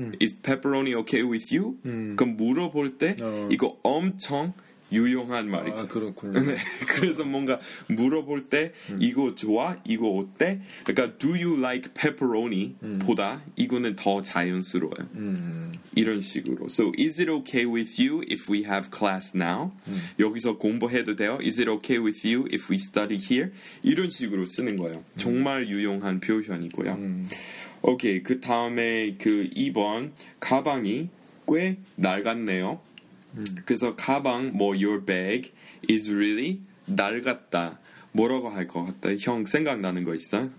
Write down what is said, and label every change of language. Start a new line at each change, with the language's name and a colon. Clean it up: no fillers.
English: Is pepperoni okay with you?
Korean: 그럼 물어볼 때 이거 엄청 유용한 말이죠. 아, 그렇군요. 네, 그래서 뭔가 물어볼 때 이거 좋아? 이거 어때? 그러니까
English: do you like pepperoni?
Korean: 보다 이거는 더 자연스러워요. 이런 식으로.
English: So is it okay with you if we have class now?
Korean: 여기서 공부해도 돼요?
English: Is it okay with you if we study here?
Korean: 이런 식으로 쓰는 거예요. 정말 유용한 표현이고요. 오케이, 그 다음에 그 2번 가방이 꽤 낡았네요. 그래서 가방 뭐
English: your bag is really
Korean: 낡았다 뭐라고 할 것 같다 형 생각나는 거 있어?